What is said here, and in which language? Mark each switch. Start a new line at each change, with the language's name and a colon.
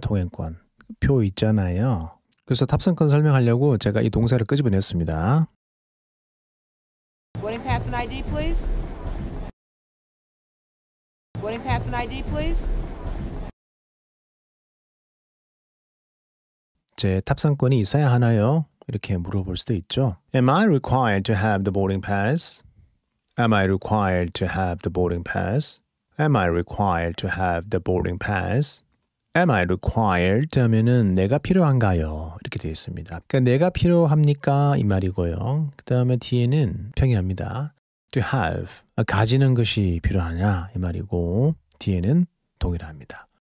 Korean: 통행권 표 있잖아요. 그래서 탑승권 설명하려고 제가 이 동사를 끄집어냈습니다.
English: Boarding pass and ID, please. Boarding pass and ID, please.
Korean: 제 탑승권이 있어야 하나요? 이렇게 물어볼 수도 있죠.
English: Am I required to have the boarding pass? Am I required to have the boarding pass? Am I required to have the boarding pass? Am I required?
Korean: 하면은 내가 필요한가요? 이렇게 되어 있습니다. 그러니까 내가 필요합니까? 이 말이고요. 그 다음에 뒤에는 평이합니다.
English: To have.
Korean: 가지는 것이 필요하냐? 이 말이고 뒤에는 동일합니다.